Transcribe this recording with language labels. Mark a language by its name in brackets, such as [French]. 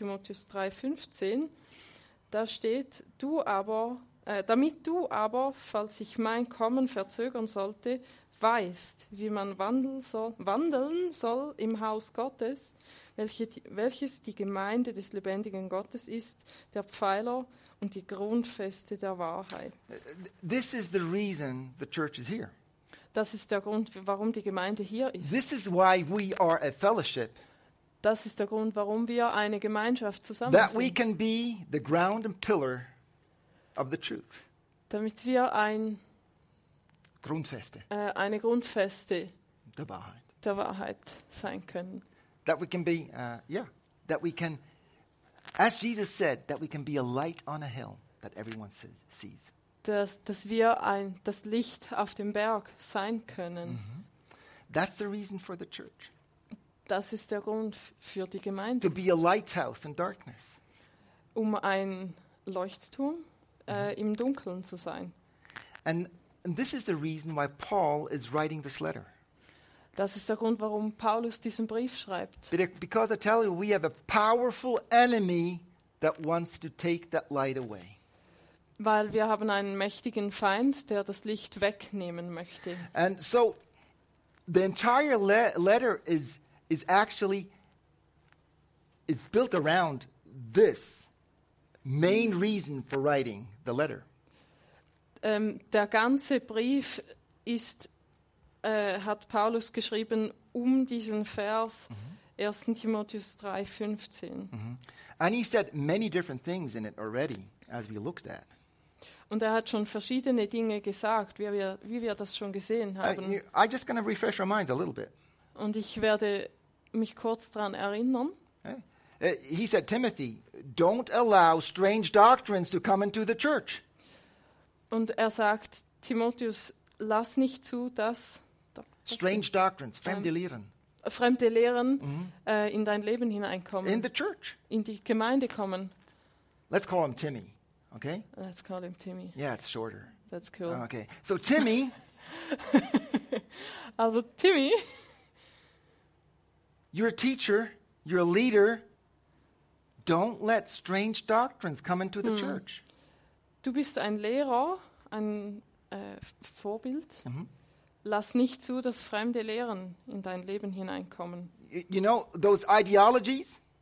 [German] Timotheus 3,15. Da steht, damit du aber, falls ich mein Kommen verzögern sollte, weißt, wie man wandeln soll im Haus Gottes, welches die Gemeinde des lebendigen Gottes ist, der Pfeiler und die Grundfeste der Wahrheit. [English] This is the reason the church is here. [German] Das ist der Grund, warum die Gemeinde hier ist. [English] This is why we are a fellowship. [German] Das ist der Grund, warum wir eine Gemeinschaft zusammen [English] That [German] sind. [English] We can be the ground and pillar of the truth. [German] Damit wir ein Grundfeste. Eine Grundfeste der Wahrheit. Der Wahrheit sein können. [English] That we can be that we can, as Jesus said, that we can be a light on a hill that everyone sees. [German] Dass wir ein das Licht auf dem Berg sein können. Mm-hmm. [English] That's the reason for the church. [German] Das ist der Grund für die Gemeinde. [English] To be a lighthouse in darkness. [German] Um ein Leuchtturm im Dunkeln zu sein. [English] And this is the reason why Paul is writing this letter. [German] Das ist der Grund, warum Paulus diesen Brief schreibt. [English] Because I tell you, we have a powerful enemy that wants to take that light away. [German] Weil wir haben einen mächtigen Feind, der das Licht wegnehmen möchte. [English] And so the entire letter is actually is built around this main reason for writing the letter. [German] Der ganze Brief ist hat Paulus geschrieben um diesen Vers 1. Timotheus 3:15. Mm-hmm. [English] And he said many different things in it already as we looked at. [German] Und er hat schon verschiedene Dinge gesagt, wie wir das schon gesehen haben. [English] I'm just gonna refresh our minds a little bit. [German] Und ich werde mich kurz dran erinnern. [English] Okay. He said, Timothy, don't allow strange doctrines to come into the church. [German] Und er sagt, Timotheus, lass nicht zu, dass [English] strange doctrines, [German] fremde Lehren. Fremde Lehren in dein Leben hineinkommen. [English] In the church. [German] In die Gemeinde kommen. [English] Let's call him Timmy. Okay. Let's call him Timmy. Yeah, it's shorter. That's cool. Okay. So Timmy. [German] Also Timmy. [English] You're a teacher. You're a leader. Don't let strange doctrines come into the church. [German] Du bist ein Lehrer, ein Vorbild. Mm-hmm. Lass nicht zu, dass fremde Lehren in dein Leben hineinkommen. [English] You know those ideologies.